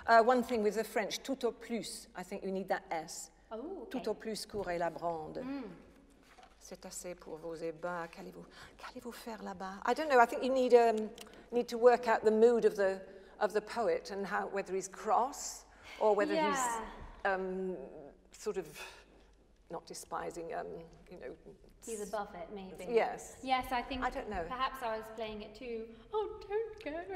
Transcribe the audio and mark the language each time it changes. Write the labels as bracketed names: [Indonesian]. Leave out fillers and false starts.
[English] One thing with the French, [French] tout au plus, [English] I think you need that S. Oh, okay. [French] Tout au plus courez la brande. C'est assez pour vos ébats, qu'allez-vous faire là-bas? [English] I don't know, I think you need to work out the mood of the poet and how whether he's cross or whether he's sort of not despising he's above it maybe. Yes. Yes, I think I don't know. Perhaps I was playing it too. Oh, don't go.